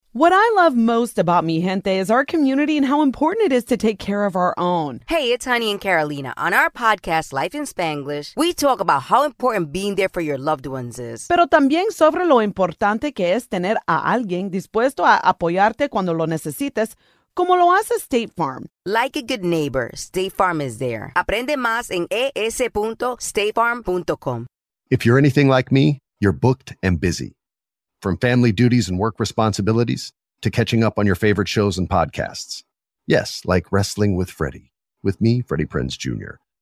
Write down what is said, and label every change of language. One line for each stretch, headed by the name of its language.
English: What I love most about Mi Gente is our community and how important it is to take care of our own. Hey, it's Honey and Carolina. On our podcast, Life in Spanglish, we talk about how important being there for your loved ones is.
Spanish: Pero también sobre lo importante que es tener a alguien dispuesto a apoyarte cuando lo necesites, como lo hace State Farm.
English: Like a good neighbor, State Farm is there.
Spanish: Aprende más en es.statefarm.com.
English: If you're anything like me, you're booked and busy. From family duties and work responsibilities to catching up on your favorite shows and podcasts. Yes, like Wrestling with Freddie, with me, Freddie Prinze Jr.